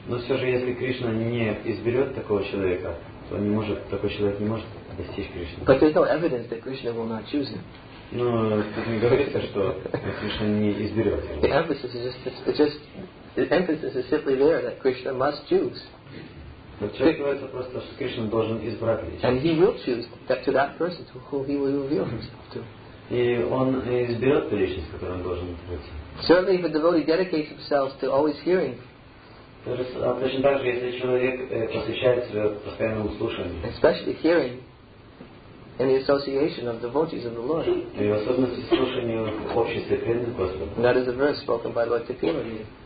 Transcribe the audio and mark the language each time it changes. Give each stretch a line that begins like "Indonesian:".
Russian: Но все же, если Кришна не изберет такого человека, то не может, такой человек не может достичь Кришны.
English: But there's no evidence that Krishna will not choose him.
Russian: Но тут не говорится, что Кришна не изберет его.
English: The emphasis is simply there that Krishna must choose.
Russian: Подчеркивается просто, что Кришна должен избрать личность.
English: And he will choose that to that person to whom he will reveal himself to.
Russian: И он изберет ту личность, которую он должен открыться.
English: Certainly, if a devotee dedicates himself to always hearing, especially hearing in the association of devotees of the Lord, that is a verse spoken by Lord Tipima.